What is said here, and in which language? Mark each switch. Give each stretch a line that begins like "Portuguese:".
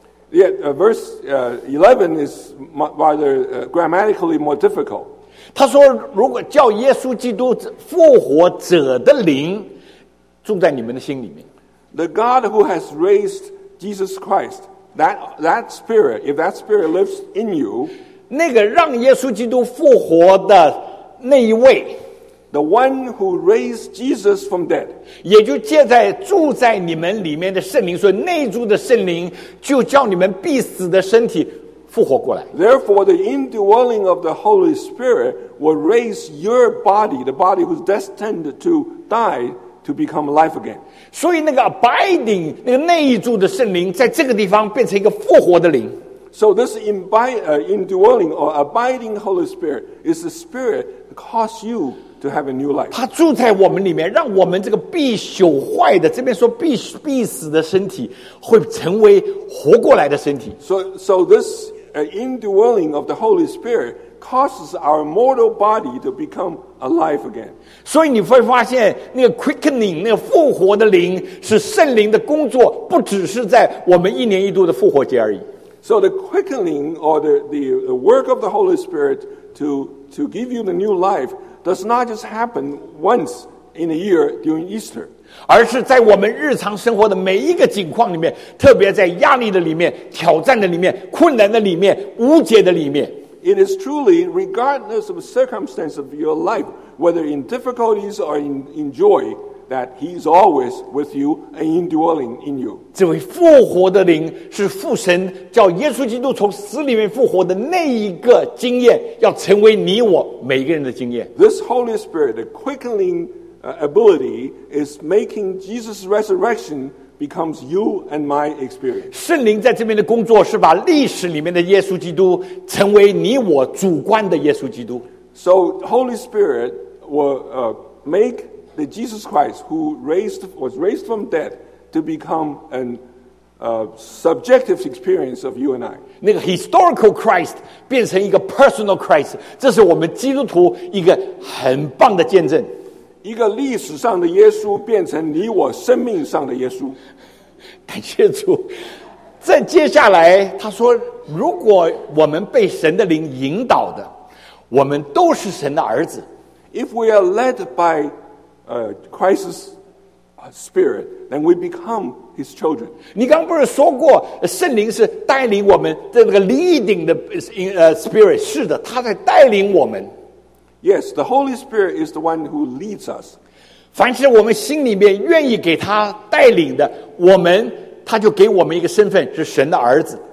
English: Yeah, verse 11 is rather grammatically more difficult.
Chinese: 他说如果叫耶稣基督复活者的灵住在你们的心里面。
English: The God who has raised Jesus Christ, that spirit, if that spirit lives in you,
Chinese: 那个让耶稣基督复活的那一位
English: The one who raised Jesus from dead
Chinese: 也就借在住在你们里面的圣灵所以内住的圣灵就叫你们必死的身体复活过来
English: Therefore the indwelling of the Holy Spirit will raise your body the body who's destined to die to become alive again
Chinese: 所以那个 abiding 那个内住的圣灵在这个地方变成一个复活的灵
English: So this indwelling or abiding Holy Spirit is the Spirit that causes you to have a new life.
Chinese: 他住在我们里面，让我们这个必朽坏的，这边说必死的身体，会成为活过来的身体。
English: So this indwelling of the Holy Spirit causes our mortal body to become alive again.
Chinese: 所以你会发现，那个 quickening, 那个复活的灵，是圣灵的工作，不只是在我们一年一度的复活节而已。
English: So the quickening or the work of the Holy Spirit to give you the new life does not just happen once in a year during Easter.
Chinese: 而是在我们日常生活的每一个境况里面，特别在压力的里面、挑战的里面、困难的里面、无解的里面。
English: It is truly regardless of the circumstance of your life, whether in difficulties or in joy. That he is always with you and indwelling in you.
Chinese: 这位复活的灵是父神叫耶稣基督从死里面复活的那一个经验，要成为你我每一个人的经验。
English: This Holy Spirit, the quickening ability, is making Jesus' resurrection becomes you and my experience.
Chinese: 圣灵在这边的工作是把历史里面的耶稣基督成为你我主观的耶稣基督。
English: So Holy Spirit will make. The Jesus Christ who was raised from dead to become a subjective experience of you and I.
Chinese: 那个
English: historical Christ
Chinese: 变成一个
English: personal Christ,
Chinese: 这是我们基督徒一个很棒的见证。一个历史上的耶稣变成你我生命上的耶稣。感谢主。再接下来他说如果我们被神的灵引导的我们都是神的儿子。
English: If we are led byChrist's spirit, then we become his children.
Chinese: 你刚不是说过圣灵是带领我们的那个 leading 的 spirit, 是的他在带领我们。
English: Yes, the Holy Spirit is the one who leads us.
Chinese: 凡是我们心里面愿意给他带领的我们他就给我们一个身份是神的儿子。